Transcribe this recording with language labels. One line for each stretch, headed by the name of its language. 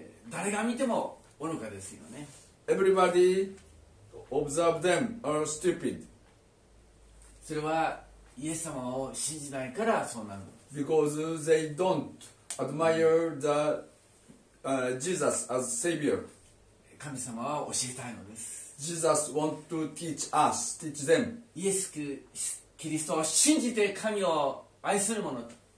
Japanese: 誰が見ても愚かですよね。
English: Everybody observe them are stupid.
Japanese: それはイエス様を信じないからそうなる。
English: Because they don't admire the Jesus as Savior.
Japanese: 神様は教えたいのです。
English: Jesus want to teach us, teach them.
Japanese: イエスキリストを信じて神を愛する者と。